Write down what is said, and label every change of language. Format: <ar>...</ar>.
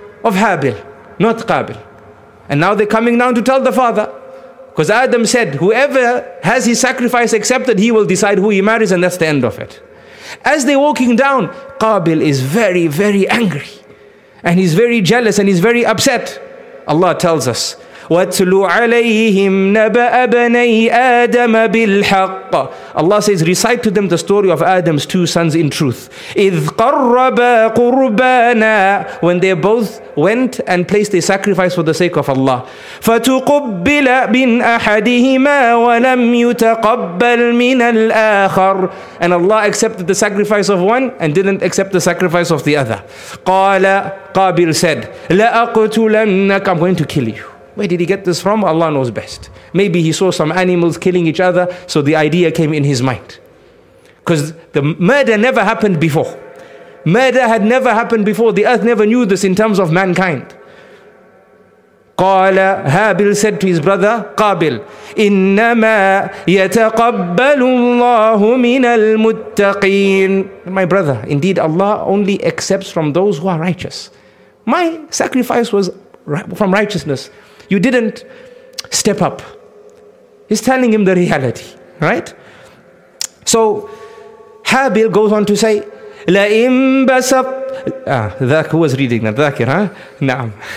<en>Of Habil, not Qabil. And now they're coming down to tell the father. Because Adam said, whoever has his sacrifice accepted, he will decide who he marries, and that's the end of it. As they're walking down, Qabil is very, very angry. And he's very jealous, and he's very upset. Allah tells us,</en> <ar>وَاتْلُوا عَلَيْهِمْ نَبَأَ بَنَيْ آدَمَ بِالْحَقَّ.</ar> <en>Allah says, recite to them the story of Adam's two sons in truth.</en> <ar>إِذْ قَرَّبَ قُرْبَانًا.</ar> <en>When they both went and placed a sacrifice for the sake of Allah.</en> <ar>فَتُقُبِّلَ مِنْ أَحَدِهِمَا وَلَمْ يُتَقَبَّلْ مِنَ الْآخَرِ.</ar> <en>And Allah accepted the sacrifice of one and didn't accept the sacrifice of the other. قَالَ قَابِلْ said,</en> <ar>لَأَقْتُلَنَّكَ.</ar> <en>I'm going to kill you. Where did he get this from? Allah knows best. Maybe he saw some animals killing each other, so the idea came in his mind. Because the murder never happened before. Murder had never happened before. The earth never knew this in terms of mankind.</en> <ar>قَالَ هَابِلْ</ar> <en>said to his brother,</en> <ar>قَابِلْ إِنَّمَا يَتَقَبَّلُ اللَّهُ مِنَ الْمُتَّقِينَ.</ar> <en>My brother, indeed Allah only accepts from those who are righteous. My sacrifice was from righteousness. You didn't step up. He's telling him the reality, right? So Habil goes on to say, La in basat Dhak, who was reading that? Dhakir, huh? Naam.</en>